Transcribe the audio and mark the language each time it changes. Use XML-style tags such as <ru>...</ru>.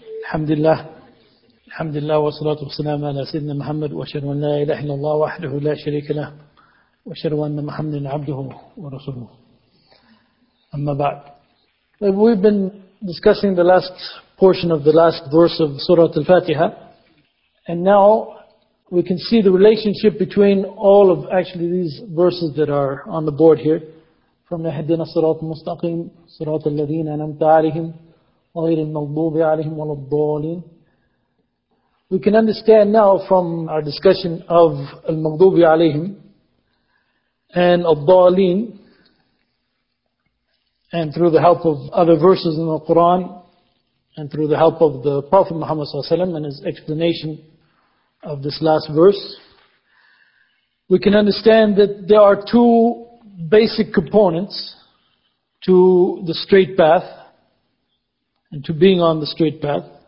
<ar>الحمد لله والصلاة والسلام على سيدنا محمد، وأشهد أن لا إله إلا الله وحده لا شريك له، وأشهد أن محمدا عبده ورسوله. أما بعد،</ar> <en>we've been discussing the last portion of the last verse of Surah Al-Fatiha, and now we can see the relationship between all of actually these verses that are on the board here. From the</en> <ar>اهدنا الصراط المستقيم صراط الذين أنعمت عليهم غير المغضوب عليهم ولا الضالين.</ar> <en>We can understand now from our discussion of</en> <ar>المغضوب عليهم</ar> <en>and الضالين and through the help of other verses in the Quran and through the help of the Prophet Muhammad صلى الله عليه وسلم and his explanation of this last verse, we can understand that there are two basic components to the straight path and to being on the straight path.</en>